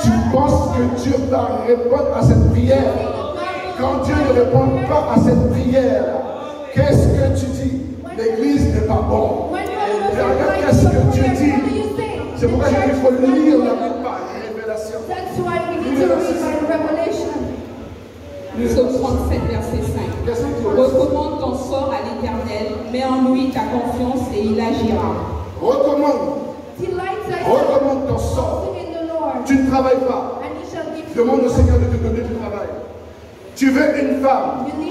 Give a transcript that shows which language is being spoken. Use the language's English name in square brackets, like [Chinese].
[French] Tu penses que Dieu va répondre à cette prière? Quand Dieu ne répond pas à cette prière, qu'est-ce que tu dis? L'église n'est pas bonne. Et regarde qu'est-ce que Dieu dit. C'est pourquoi il faut lire la Bible par révélation. [English] That's why we need to read by revelation. [French] Nous sommes 37, verset 5. Recommande ton sort à l'Éternel, mets en lui ta confiance et il agira. Recommande ton sort. Tu ne travailles pas. Demande au Seigneur de te donner du travail. Tu veux une femme.